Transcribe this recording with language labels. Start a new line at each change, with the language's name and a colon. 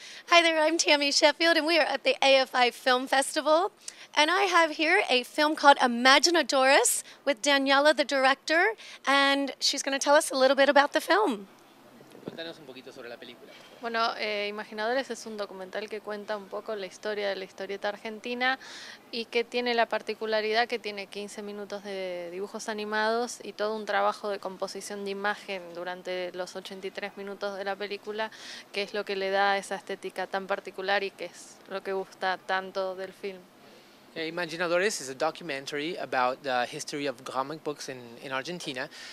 English: Hi there, I'm Tammy Sheffield, and we are at the AFI Film Festival. And I have here a film called Imaginadoras with Daniela, the director, and she's going to tell us a little bit about the film.
Spanish: Cuéntanos un poquito sobre la película, por favor. Bueno, Imaginadores es un documental que cuenta un poco la historia de la historieta argentina y que tiene la particularidad que tiene 15 minutos de dibujos animados y todo un trabajo de composición de imagen durante los 83 minutos de la película, que es lo que le da esa estética tan particular y que es lo que gusta tanto del film.
English: Imaginadores is a documentary about the history of comic books in Argentina.